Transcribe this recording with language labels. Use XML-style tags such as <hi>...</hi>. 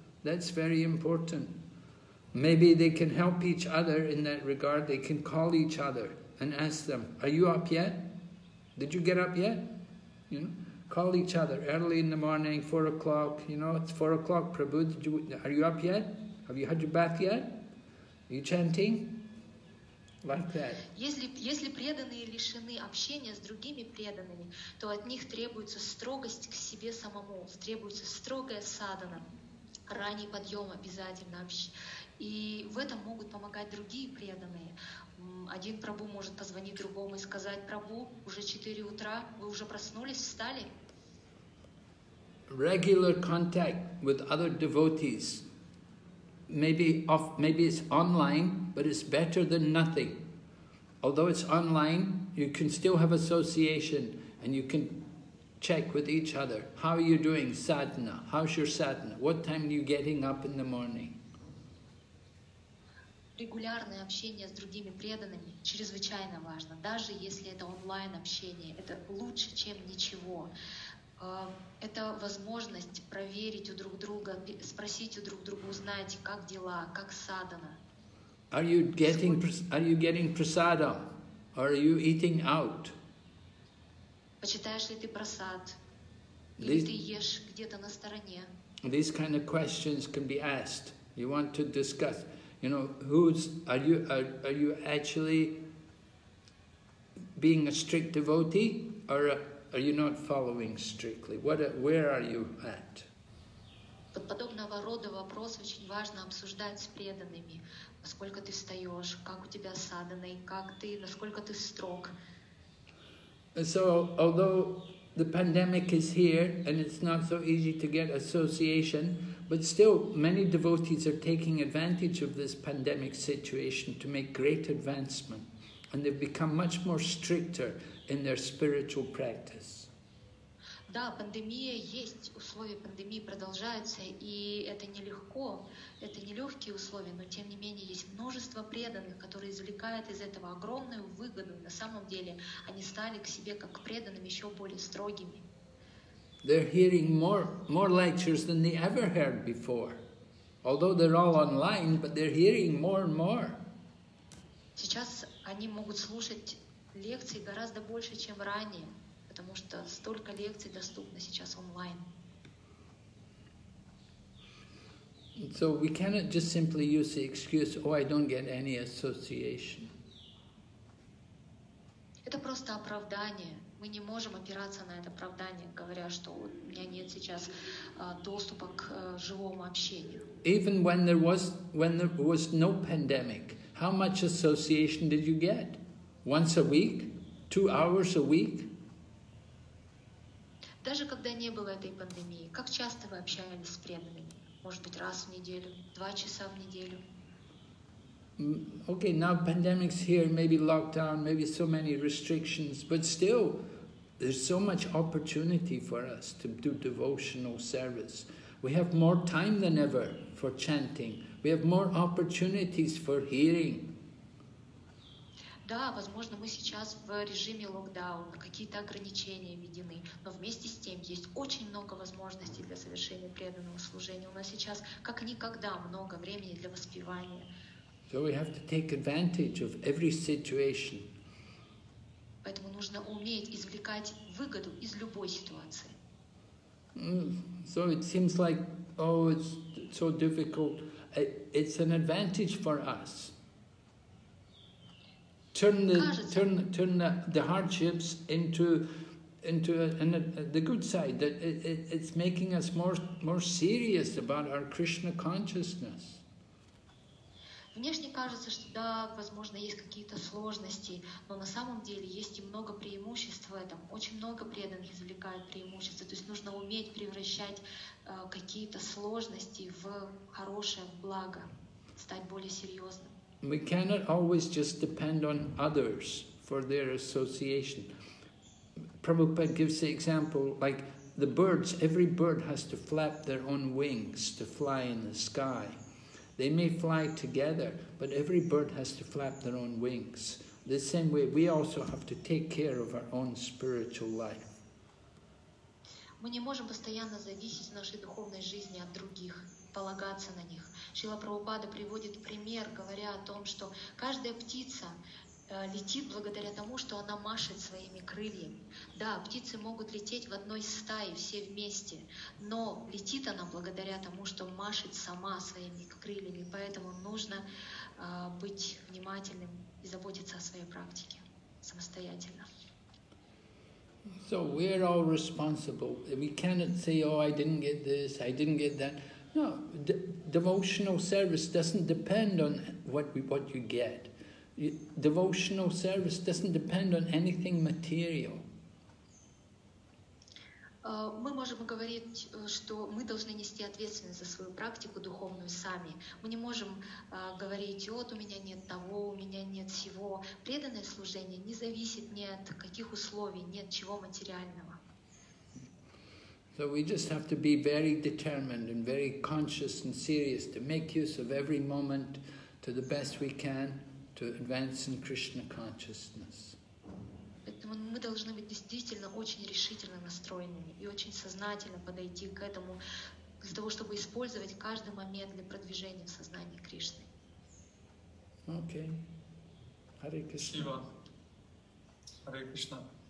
<en>That's very important. Maybe they can help each other in that regard. They can call each other and ask them, are you up yet? Did you get up yet? You know, call each other early in the morning, 4 o'clock, you know, it's 4 o'clock, Prabhu, are you up yet? Have you had your bath yet? Are you chanting? Like that.</en> <ru>Если преданные лишены общения с другими преданными, то от них требуется строгость к себе самому, требуется строгая садхана. Ранний подъем обязательно. И в этом могут помогать другие преданные. Один Прабу может позвонить другому и сказать, Прабу, уже 4 утра, вы уже проснулись, встали?</ru> <en>Regular contact with other devotees. Maybe it's online, but it's better than nothing. Although it's online, you can still have association and you can check with each other. How are you doing, sadhana? How's your sadhana? What time are you getting up in the morning?</en> <ru>Регулярное общение с другими преданными чрезвычайно важно. Даже если это онлайн общение, это лучше, чем ничего. Это возможность проверить у друг друга, спросить у друг друга, узнать, как дела, как садхана.</ru> <en>Are you getting prasada? Or are you eating out?</en> <ru>Почитаешь ли ты прасад? Или ты ешь где-то на стороне?</ru> <en>These kind of questions can be asked. You want to discuss. You know, who's are you actually being a strict devotee, or are you not following strictly? Where are you at?</en> <ru>Под подобного рода вопрос очень важно обсуждать с преданными. Сколько ты встаешь? Как у тебя садханы? Как ты? Насколько ты строг?</ru> <en>So, although the pandemic is here and it's not so easy to get association. But still, many devotees are taking advantage of this pandemic situation to make great advancement, and they've become much more stricter in their spiritual practice.</en> <ru>да, пандемия есть, условия пандемии продолжаются, и это нелегко, это нелегкие условия, но тем не менее есть множество преданных, которые извлекают из этого огромную выгоду. На самом деле они стали к себе как к преданным еще более строгими.</ru> <en>They're hearing more lectures than they ever heard before. Although they're all online, but they're hearing more and more.</en> <ru>Сейчас они могут слушать лекции гораздо больше, чем ранее, потому что столько лекций доступно сейчас онлайн.</ru> <en>So we cannot just simply use the excuse, oh, I don't get any association.</en> <ru>Это просто оправдание. Мы не можем опираться на это оправдание, говоря, что у меня нет сейчас доступа к живому общению.</ru> <en>Even when there was no pandemic, how much association did you get? Once a week? 2 hours a week?</en> <ru>Даже когда не было этой пандемии, как часто вы общались с преданными? Может быть, раз в неделю, 2 часа в неделю?</ru> <en>Okay, now pandemic's here, maybe lockdown, maybe so many restrictions, but still, there's so much opportunity for us to do devotional service. We have more time than ever for chanting. We have more opportunities for hearing.</en> <ru>Да, возможно, мы сейчас в режиме локдауна, какие-то ограничения введены, но вместе с тем есть очень много возможностей для совершения преданного служения. У нас сейчас, как никогда, много времени для воспевания.</ru> <en>So we have to take advantage of every situation.</en> <ru>Поэтому нужно уметь извлекать выгоду из любой ситуации.</ru> <en>So it seems like, oh, it's so difficult. It's an advantage for us. Turn the hardships into the good side. That it's making us more serious about our Krishna consciousness.</en> <ru>Внешне кажется, что да, возможно, есть какие-то сложности, но на самом деле есть и много преимуществ в этом. Очень много преданных извлекают преимущества. То есть нужно уметь превращать какие-то сложности в хорошее, в благо, стать более серьезным.</ru> <en>We cannot always just depend on others for their association. Prabhupada gives the example, like the birds, every bird has to flap their own wings to fly in the sky. They may fly together, but every bird has to flap their own wings. The same way, we also have to take care of our own spiritual life.</en> <ru>Мы не можем постоянно зависеть в нашей духовной жизни от других, полагаться на них. Шрила Прабхупада приводит пример, говоря о том, что каждая птица летит благодаря тому, что она машет своими крыльями. Да, птицы могут лететь в одной стае все вместе, но летит она благодаря тому, что машет сама своими крыльями. Поэтому нужно быть внимательным и заботиться о своей практике самостоятельно.</ru> <en>So we're all responsible. We cannot say, oh, I didn't get this, I didn't get that. No, devotional service doesn't depend on what you get. Devotional service doesn't depend on anything material.</en> <ru>Мы можем говорить, что мы должны нести ответственность за свою практику духовную сами. Мы не можем говорить, вот у меня нет того, у меня нет всего. Преданное служение не зависит ни от каких условий, ни от чего материального.</ru> <en>So we just have to be very determined and very conscious and serious to make use of every moment to the best we can to advance in Krishna consciousness.</en> <ru>Поэтому мы должны быть действительно очень решительно настроенными и очень сознательно подойти к этому для того, чтобы использовать каждый момент для продвижения в сознании Кришны.</ru> <en>Okay. Hare Krishna.</en> <ru>Спасибо. Hare Krishna.</ru>